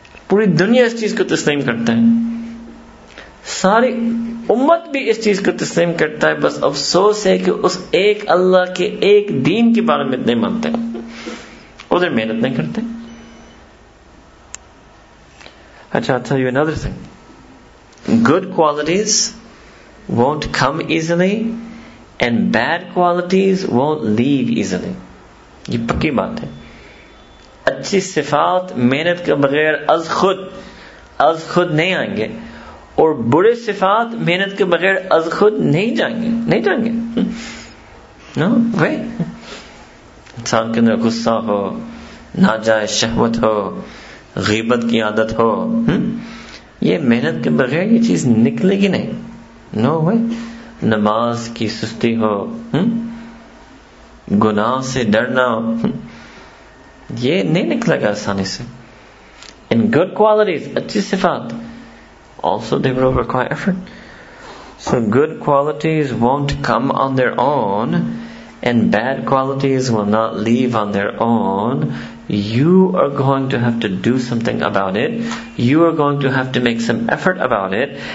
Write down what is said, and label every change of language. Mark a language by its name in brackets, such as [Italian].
[Hindi] पूरी दुनिया इस चीज को तस्लीम करता है, सारी उम्मत भी इस चीज को तस्लीम करता है. बस अफसोस है कि उस एक अल्लाह के एक दीन के बारे में इतने मानते हैं, उधर मेहनत नहीं करते. [English] अच्छा, I'll tell you another thing. Good qualities won't come easily. And bad qualities won't leave easily. [Hindi] ये पक्की बात है. अच्छी सिफात मेहनत के बगैर अज खुद नहीं आएंगे, और बुरे सिफात मेहनत के बगैर अज खुद नहीं जाएंगे. [English] No way. [Hindi] इंसान के अंदर गुस्सा हो, नाजायज शहवत हो, गीबत की आदत हो, ये मेहनत के बगैर ये चीज निकलेगी नहीं. [English] No way. [Hindi] नमाज की सुस्ती हो, गुनाह से डरना हो, ये नहीं निकलेगा आसानी से. [English] In good qualities, [Hindi] अच्छी सिफात, [English] also they will require effort. So good qualities won't come on their own, and bad qualities will not leave on their own. You are going to have to do something about it. You are going to have to make some effort about it.